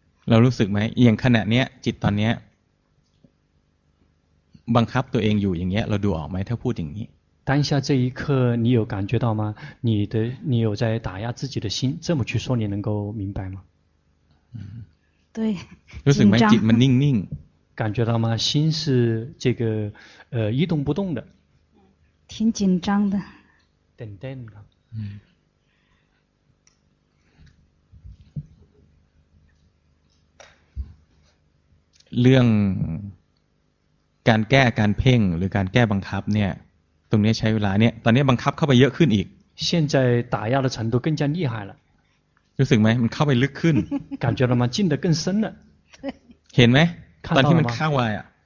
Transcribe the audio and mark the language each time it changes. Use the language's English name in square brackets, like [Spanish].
[Thai] เรารู้สึกไหมอย่างขณะเนี้ยจิตตอนเนี้ยบังคับตัวเองอยู่อย่างเงี้ยเราดูออกไหมถ้าพูดอย่างนี้ [Chinese] 当下这一刻你有感觉到吗你的你有在打压自己的心这么去说你能够明白吗对 [Thai] รู้สึกไหมจิตมันนิ่งนิ่ง [Chinese] 感觉到吗心是这个一动不动的挺紧张的等等的 [Thai] เรื่องการแก้การเพ่งหรือการแก้บังคับเนี่ยตรงนี้ใช้เวลาเนี่ยตอนนี้บังคับเข้าไปเยอะขึ้นอีก [Chinese] 现在打压的程度更加厉害了 [Thai] รู้สึกไหมมันเข้าไปลึกขึ้น [Chinese] 感觉到吗进得更深了 [Thai] เห็นไหมตอนที่มันข้างวายอ่ะ